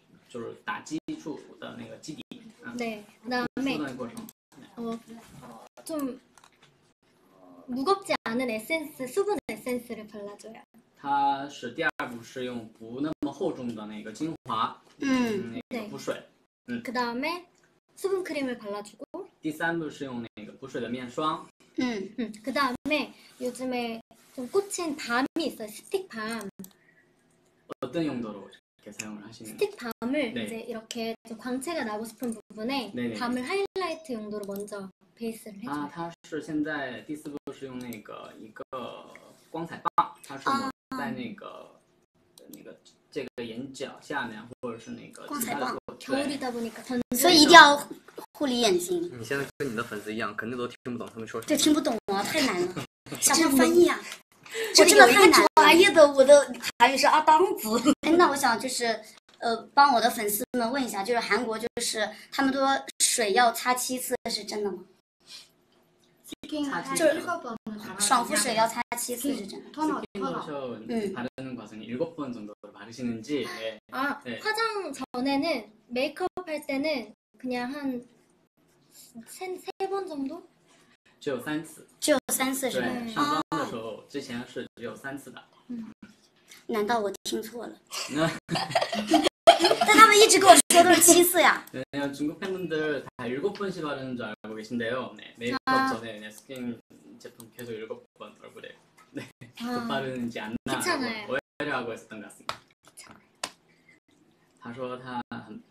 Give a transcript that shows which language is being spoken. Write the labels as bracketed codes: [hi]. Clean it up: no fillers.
[zh] 就是打基础的那个基底，嗯， [ko] 네그다음에 [zh] 过程， [ko] 어좀무겁지않은에센스수분에센스를발라줘요 [zh] 它是第二步是用不那么厚重的那个精华，嗯，那个补水，嗯， [ko] 그다음에수분크림을발라주고 [zh] 第三步是用那个补水的面霜，嗯 [ko] 그다음에요즘에좀꽂힌밤이있어요스틱밤 어떤용도로사용을하시는 스틱밤을、 네、 이제이렇게광채가나고싶은부분에、 네、 밤을하이라이트용도로먼저베이스를해줘요 [zh] 아它是现在第四步是用那个一个光彩棒，它是抹在那个、啊、那个这个眼角下面，或者是那个 [ko] 光彩棒。겨울이다보니까 [zh] 所以一定要护理眼睛。你现在跟你的粉丝一样，肯定都听不懂他们说什么。对，听不懂啊，太难了，想要翻译啊。我真的有一个专业的，我的韩语是阿当子。哎，那我想就是，帮我的粉丝们问一下，就是韩国就是他们说水要擦七次是真的吗？就是爽肤水要擦七次是真的。脱脑脱脑。 [ko] 바르는과정이일곱번정도바르시는지 아화장전에는메이크업할때는그냥한세번정도 [zh] 只有三次。只有三次是吗？对，上妆的时候、哦、之前是只有三次的。嗯，难道我听错了？但他们一直跟我说都是七次呀。 [ko] 네중국팬분들다일곱번씩바르는줄알고계신데요네메이크업전에네스킨제품계속일곱번얼굴에네바르는지안나오해를하고있었던것같습니다 [zh] 他说他很